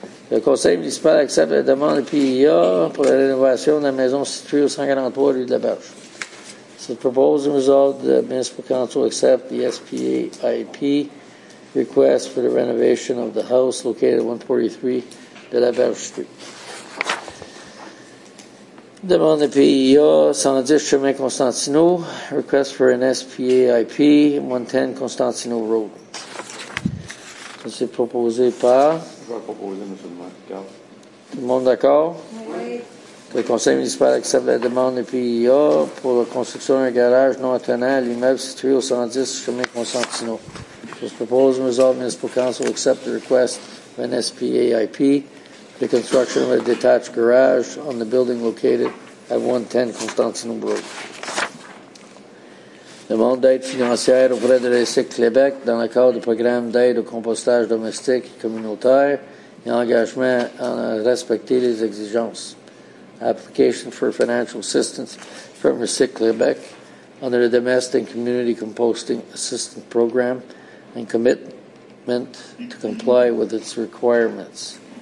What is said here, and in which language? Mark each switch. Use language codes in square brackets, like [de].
[fr] Le conseil municipal accepte la demande de PIA pour la rénovation de la maison située au 143 rue de la Berge. [en] So, the proposed result, the municipal council accept the SPAIP request for the renovation of the house located at 143 de la Berge Street. [fr] Demande de PIA 110 Chemin Constantino. [en] Request for an SPAIP 110 Constantino Road. [fr] Ça, c'est proposé par? Je vais proposer, M. le maire. Tout le monde d'accord? Oui. Le conseil municipal accepte la demande de PIA pour la construction d'un garage non attenant à l'immeuble situé au 110 Chemin Constantino. Je propose une résolve [en] municipal council accept the request of an SPAIP. The construction of a detached garage on the building located at 110 Constantino Road. [fr] Demande d'aide financière auprès de l'ESIC Québec dans le cadre du programme d'aide au compostage domestique et communautaire et engagement à respecter les exigences. [en] Application for financial assistance from ESIC Québec under the Domestic Community Composting Assistance Program and commitment to comply with its requirements.